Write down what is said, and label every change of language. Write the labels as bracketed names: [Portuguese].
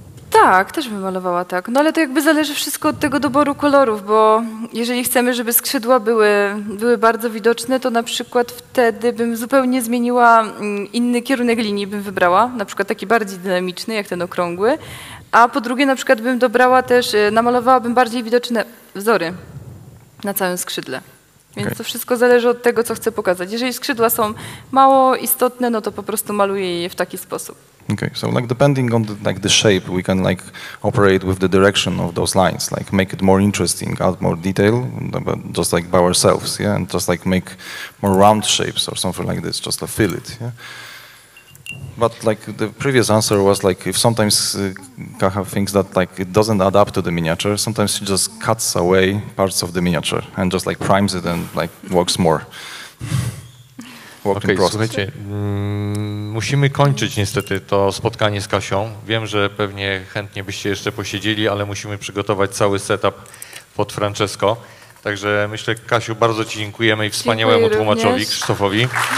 [Polish] Tak, też bym malowała tak. No ale to jakby zależy wszystko od tego doboru kolorów, bo jeżeli chcemy, żeby skrzydła były bardzo widoczne, to na przykład wtedy bym zupełnie zmieniła inny kierunek linii, bym wybrała, na przykład taki bardziej dynamiczny, jak ten okrągły. A po drugie na przykład bym dobrała też, namalowałabym bardziej widoczne wzory na całym skrzydle. Więc okay, to wszystko zależy od tego, co chcę pokazać. Jeżeli skrzydła są mało istotne, no to po prostu maluję je w taki sposób. [English] Okay, so like depending on the, like the shape, we can like operate with the direction of those lines, like make it more interesting, add more detail, but just like by ourselves, yeah, and just like make more round shapes or something like this, just to fill it, yeah. But like the previous answer was like if sometimes Kaha thinks that like it doesn't add up to the miniature, sometimes she just cuts away parts of the miniature and just like primes it and like walks more. [Polish] Okej, okay, słuchajcie, musimy kończyć niestety to spotkanie z Kasią. Wiem, że pewnie chętnie byście jeszcze posiedzieli, ale musimy przygotować cały setup pod Francesco. Także myślę, Kasiu, bardzo ci dziękujemy i wspaniałemu tłumaczowi również. Krzysztofowi.